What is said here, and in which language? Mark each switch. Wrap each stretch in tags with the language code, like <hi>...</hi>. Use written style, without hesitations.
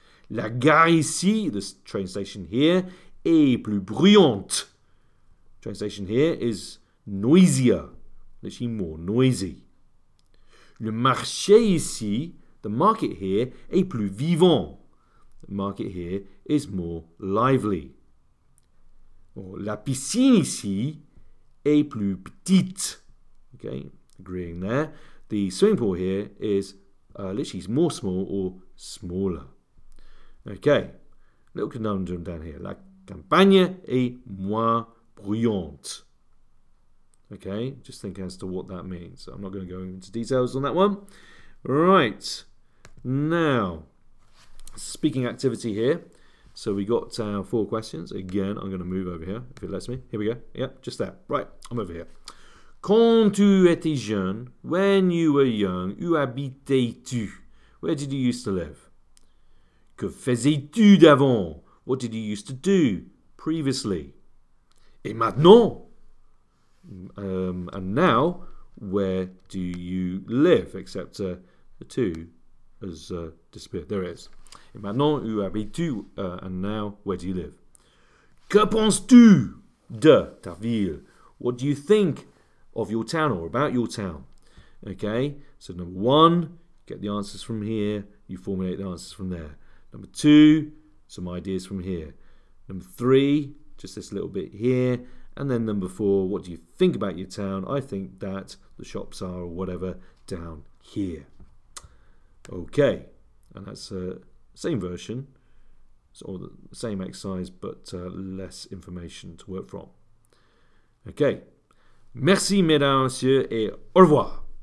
<fr>La gare ici,</fr> <en>the train station here,</en> <fr>est plus bruyante. Train station here is noisier, literally more noisy. Le marché ici,</fr> <en>the market here</en> <fr>est plus vivant. The market here is more lively. Or, la piscine ici est plus petite.</fr> <en>Okay, agreeing there. The swimming pool here is literally more small or smaller. Okay, little conundrum down here.</en> <fr>La campagne est moins bruyante.</fr> <en>Okay, just think as to what that means. I'm not going to go into details on that one. Right. Now, speaking activity here, So we got our four questions. Again, I'm going to move over here, if it lets me. Here we go. Yep, just that. Right, I'm over here.</en> <fr>Quand tu étais jeune,</fr> <en>when you were young,</en> <fr>où habitais-tu?</fr> <en>Where did you used to live?</en> <fr>Que faisais-tu d'avant?</fr> <en>What did you used to do previously?</en> <fr>Et maintenant?</fr> <en>And now, where do you live? Except the two has disappeared. There it is.</en> <fr>Et maintenant, où habites-tu?</fr> <en>And now, where do you live?</en> <fr>Que penses-tu de ta ville?</fr> <en>What do you think of your town or about your town? Okay, so number one, get the answers from here. You formulate the answers from there. Number two, some ideas from here. Number three, just this little bit here. And then number four, what do you think about your town? I think that the shops are or whatever down here. Okay, and that's the same version, or the same exercise, but less information to work from.</en> <fr>Okay, merci mesdames, messieurs, et au revoir.</fr>